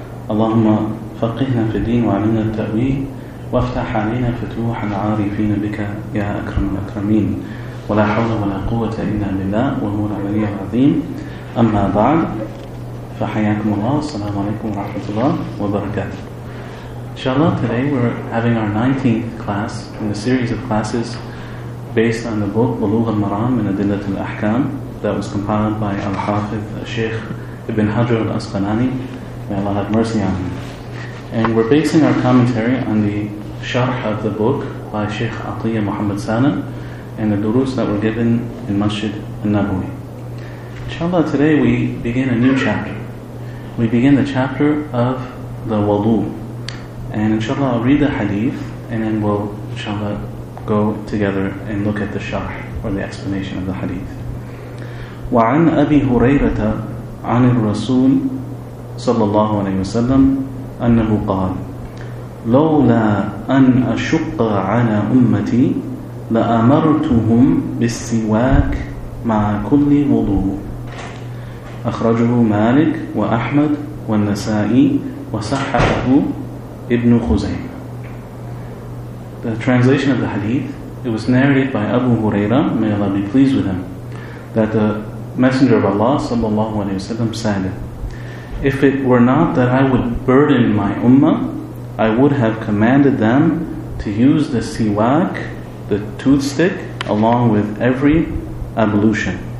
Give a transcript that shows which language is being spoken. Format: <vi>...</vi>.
<ar>اللهم فقهنا في الدين وعلمنا التأويل، وافتح علينا فتوح العارفين بك يا أكرم الأكرمين. ولا حول ولا قوة إلا بالله وهو العلي العظيم. أما بعد، فحياكم الله. السلام عليكم ورحمة الله وبركاته.</ar> <en>Inshallah, today we're having our 19th class in a series of classes based on the book Bulugh al-Maram and Adillat al-Ahkam that was compiled by Al-Hafidh Sheikh Ibn Hajar al-Asqalani. May Allah have mercy on him. And we're basing our commentary on the sharh of the book by Sheikh Atiyah Muhammad Sana and the durus that were given in Masjid al-Nabawi. Inshallah, today we begin a new chapter. We begin the chapter of the wudu. And inshallah, I'll read the hadith, and then we'll inshallah go together and look at the sharh or the explanation of the hadith.</en> <ar>وعن أبي هريرة عن الرسول صلى الله عليه وسلم أنه قال لولا أن أشق على أمتي لأمرتهم بالسواك مع كل وضوء. أخرجه مالك وأحمد والنسائي وصححه Ibn Khuzaym.</ar> <en>The translation of the hadith, it was narrated by Abu Hurairah, may Allah be pleased with him, that the Messenger of Allah sallallahu alayhi wa sallam said, if it were not that I would burden my ummah, I would have commanded them to use the siwak, the toothstick, along with every ablution.</en>